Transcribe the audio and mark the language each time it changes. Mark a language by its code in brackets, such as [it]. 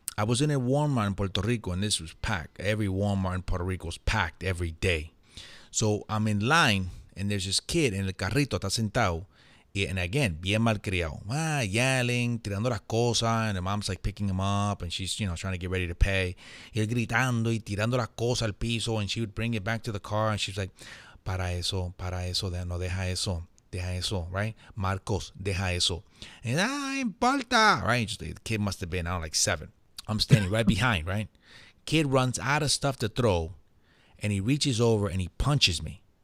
[en] I was in a Walmart in Puerto Rico, and this was packed. Every Walmart in Puerto Rico is packed every day. So I'm in line, and there's this kid in [es] el carrito, está sentado. [en] And again, [es] bien malcriado. [en] Ah, yelling, [es] tirando las cosas. [en] And the mom's like picking him up. And she's, you know, trying to get ready to pay. [es] Y él gritando y tirando las cosas al piso. [en] And she would bring it back to the car. And she's like, [es] para eso, no, deja eso, [en] right? Marcos, [es] deja eso. [en] And importa, right? Just, the kid must have been, I don't know, like 7. I'm standing right behind, right? Kid runs out of stuff to throw. And he reaches over and he punches me.